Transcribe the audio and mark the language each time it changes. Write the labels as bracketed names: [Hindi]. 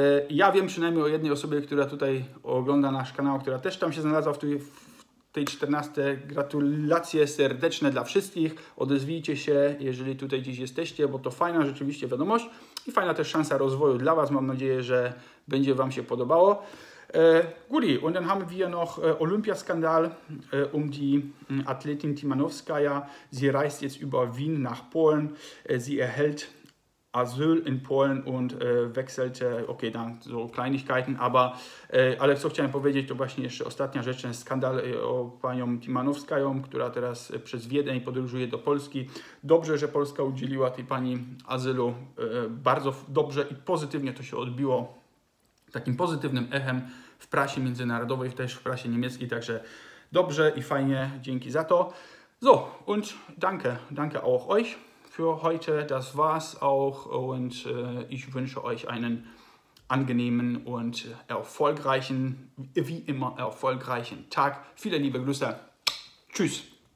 [Polish] Ja wiem przynajmniej o jednej osobie, która tutaj ogląda nasz kanał, która też tam się znalazła w tej 14. Gratulacje serdeczne dla wszystkich. Odezwijcie się, jeżeli tutaj dziś jesteście, bo to fajna rzeczywiście wiadomość i fajna też szansa rozwoju dla Was. Mam nadzieję, że będzie Wam się podobało. [German] Guri, und dann haben wir noch Olympiaskandal um die Athletin Timanowskaja. Sie reist jetzt über Wien nach Polen. Sie erhält Asyl in Polen und wechselte, okay, dann so Kleinigkeiten, aber, [Polish] ale co chciałem powiedzieć, to właśnie jeszcze ostatnia rzecz, ten skandal o panią Timanowskają, która teraz przez Wiedeń podróżuje do Polski. Dobrze, że Polska udzieliła tej pani azylu, bardzo dobrze i pozytywnie to się odbiło takim pozytywnym echem w prasie międzynarodowej, też w prasie niemieckiej, także dobrze i fajnie, dzięki za to. [German] So, und danke auch euch. Für heute, das war's auch und ich wünsche euch einen angenehmen und erfolgreichen, wie immer erfolgreichen Tag. Viele liebe Grüße. Tschüss.